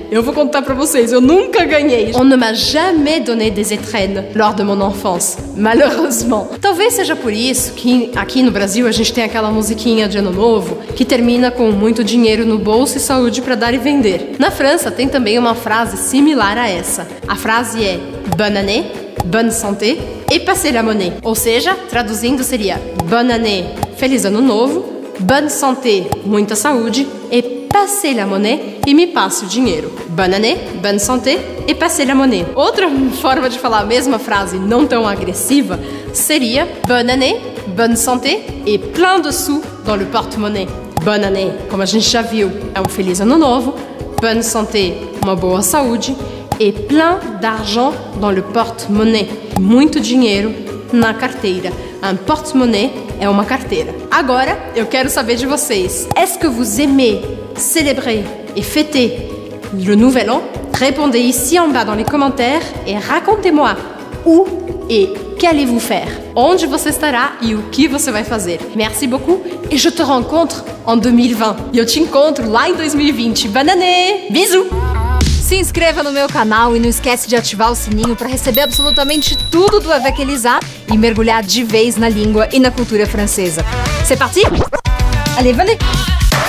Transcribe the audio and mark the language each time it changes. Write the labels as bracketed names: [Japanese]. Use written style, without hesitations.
[Portuguese] Eu vou contar para vocês, eu nunca ganhei. [French] On ne m'a jamais donné des étrennes lors de mon enfance, malheureusement. [Portuguese] Talvez seja por isso que aqui no Brasil a gente tem aquela musiquinha de Ano Novo que termina com muito dinheiro no bolso e saúde para dar e vender. Na França tem também uma frase similar a essa. A frase é [French] bonne année, bonne santé et passez la monnaie. [Portuguese] Ou seja, traduzindo seria [French] bonne année, [Portuguese] feliz ano novo. [French] Bonne santé, [Portuguese] muita saúde, e [French] passez la monnaie, [Portuguese] e me passe o dinheiro. [French] Bonne année, bonne santé, e passez la monnaie. [Portuguese] Outra forma de falar a mesma frase, não tão agressiva, seria [French] bonne année, bonne santé, et plein de sous dans le porte-monnaie. Bonne année, [Portuguese] como a gente já viu, é um feliz ano novo. [French] Bonne santé, [Portuguese] uma boa saúde. [French] E plein d'argent dans le porte-monnaie, [Portuguese] muito dinheiro na carteira. [French] Un porte-monnaie [Portuguese] é uma carteira. Agora, eu quero saber de vocês. [French] Est-ce que vous aimez célébrer et fêter le nouvel an? Répondez ici en bas dans les commentaires et racontez-moi où et qu'allez-vous faire? [Portuguese] Onde você estará e o que você vai fazer? [French] Merci beaucoup et je te rencontre en 2020. [Portuguese] E eu te encontro lá em 2020. [French] Bonne année! Bisous! [Portuguese] Se inscreva no meu canal e não esquece de ativar o sininho para receber absolutamente tudo do Avec Elisa e mergulhar de vez na língua e na cultura francesa. [French] C'est parti? Allez, venez!